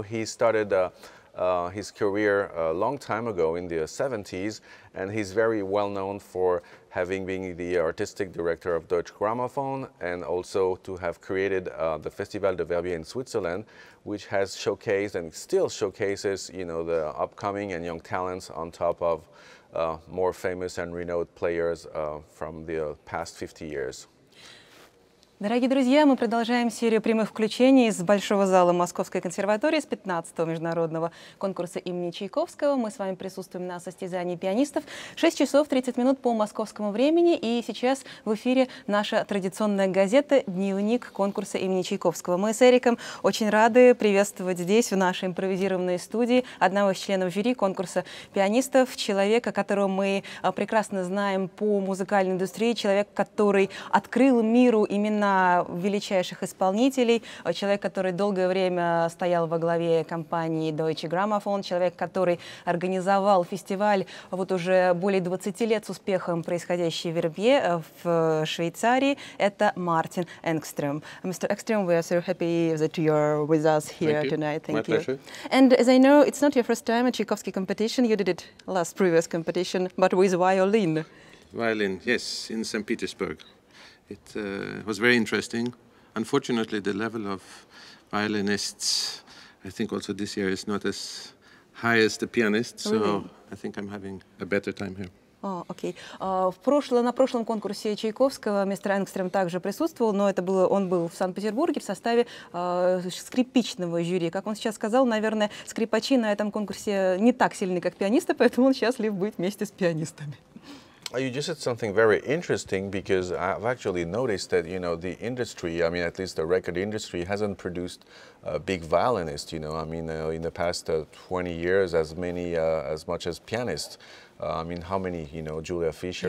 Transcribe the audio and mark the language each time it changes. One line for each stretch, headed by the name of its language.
English: He started his career a long time ago in the 70s, and he's very well known for having been the artistic director of Deutsche Grammophon, and also to have created the Festival de Verbier in Switzerland, which has showcased and still showcases, you know, the upcoming and young talents on top of more famous and renowned players from the past 50 years.
Russian: Дорогие друзья, мы продолжаем серию прямых включений из Большого зала Московской консерватории с 15-го международного конкурса имени Чайковского. Мы с вами присутствуем на состязании пианистов 6 часов 30 минут по московскому времени. И сейчас в эфире наша традиционная газета «Дневник конкурса имени Чайковского». Мы с Эриком очень рады приветствовать здесь, в нашей импровизированной студии, одного из членов жюри конкурса пианистов, человека, которого мы прекрасно знаем по музыкальной индустрии, человек, который открыл миру именно величайших исполнителей, человек, который долгое время стоял во главе компании Deutsche Grammophon, человек, который организовал фестиваль вот уже более 20 лет с успехом, происходящий в Вербье в Швейцарии, это Мартин Энгстрём.
English: Mr. Engström, we are so happy that you are with us here tonight. Thank you. My pleasure. And as I know, it's not your first time at Tchaikovsky competition. You did it last previous competition, but with violin. Violin, yes, in St. Petersburg. It was very interesting. Unfortunately, the level of violinists, I think also this year, is not as high as the pianists. Really? So I think I'm having a better time here.
Russian: Окей. На прошлом конкурсе Чайковского мистер Энгстрём также присутствовал, но это было, он был в Санкт-Петербурге в составе скрипичного жюри. Как он сейчас сказал, наверное, скрипачи на этом конкурсе не так сильны, как пианисты, поэтому он счастлив быть вместе с пианистами.
English: You just said something very interesting, because I've actually noticed that, you know, the industry, I mean, at least the record industry, hasn't produced a big violinist, you know, I mean, in the past 20 years, as many, as much as pianists. I mean, how many, you know, Julia Fischer?